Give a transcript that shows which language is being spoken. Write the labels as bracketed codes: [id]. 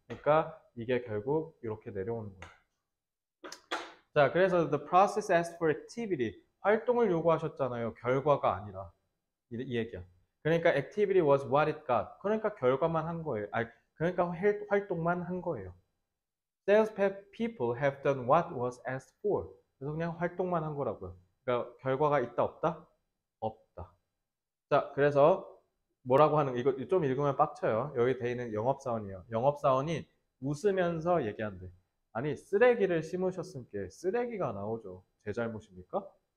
[ko] 그러니까 이게 결국 이렇게 내려오는 거야. 자, 그래서 [en] the process asked for activity, [ko] 활동을 요구하셨잖아요. 결과가 아니라 이 얘기야. 그러니까 [en] activity was what it got. [ko] 그러니까 결과만 한 거예요. 아니, 그러니까 활동만 한 거예요. [en] Sales people have done what was asked for. [ko] 그래서 그냥 활동만 한 거라고요. 그러니까 결과가 있다 없다? 자, 그래서 뭐라고 하는, 이거 좀 읽으면 빡쳐요. 여기 돼 있는 영업사원이에요. 영업사원이 웃으면서 얘기한대. 아니, 쓰레기를 심으셨을게. 쓰레기가 나오죠. 제 잘못입니까?